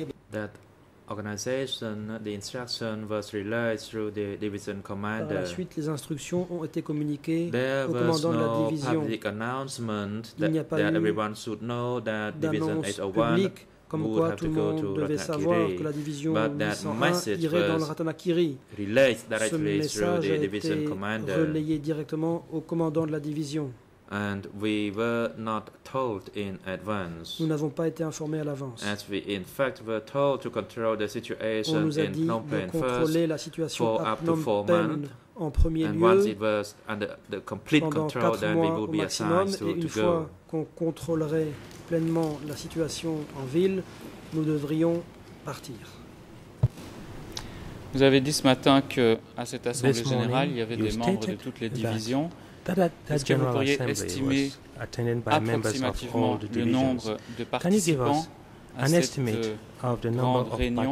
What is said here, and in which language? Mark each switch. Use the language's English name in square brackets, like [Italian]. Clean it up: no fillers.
[English] That organization, the instruction was relayed through the division commander. [French] Par la suite, les instructions ont été communiquées au commandant de la division. [English] Public announcement that everyone should know that division 801 [French] comme quoi tout le monde devait savoir que la division 801 irait dans le Ratanakiri. Ce message a été relayé directement au commandant de la division. [English] And we were not told in advance. [French] Nous n'avons pas été informés à l'avance. [English] As we in fact were told to control the situation in Phnom Penh first for up to 4 months. [French] En premier [English] and [French] lieu, [English] once it was under the complete control, then we would be assigned to go. [French] Et une fois qu'on contrôlerait pleinement la situation en ville, nous devrions partir. Vous avez dit ce matin que à cette assemblée générale, il y avait des membres de toutes les divisions. Est-ce que vous pourriez estimer approximativement le nombre de participants à cette grande réunion?